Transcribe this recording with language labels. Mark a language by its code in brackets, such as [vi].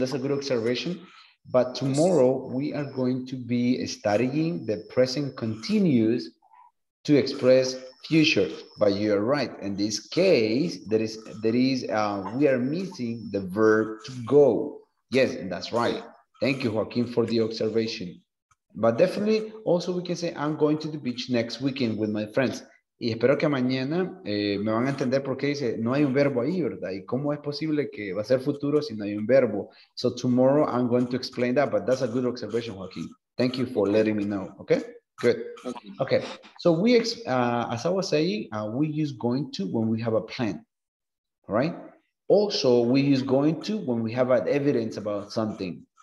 [en] That's a good observation. But tomorrow we are going to be studying the present continuous to express future. But you're right. In this case, there is we are missing the verb to go. Yes, that's right. Thank you, Joaquin, for the observation. But definitely also we can say, I'm going to the beach next weekend with my friends. [es] Y espero que mañana me van a entender por qué dice, no hay un verbo ahí, ¿verdad? ¿Y cómo es posible que va a ser futuro si no hay un verbo? [en] So tomorrow I'm going to explain that, but that's a good observation, Joaquin. Thank you for letting me know, okay? Good. Okay. So we, as I was saying, we use going to when we have a plan, right? Also, we use going to when we have evidence about something.